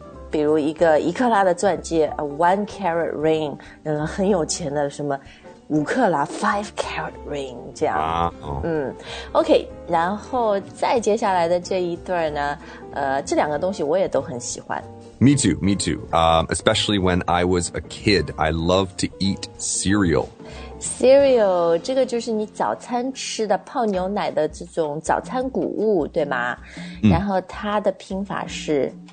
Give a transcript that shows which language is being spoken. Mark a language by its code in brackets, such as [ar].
[zh] 比如一克拉的钻戒 [en] a one carat ring, [zh] 很有钱的什么。五克拉 , [en] 5 carat ring, [zh] 这样。OK, 然后再接下来的这一对呢这两个东西我也都很喜欢。 [en] Me too. Especially when I was a kid, I loved to eat cereal. [zh] Cereal, 这个就是你早餐吃的泡牛奶的这种早餐谷物对吗、然后它的拼法是。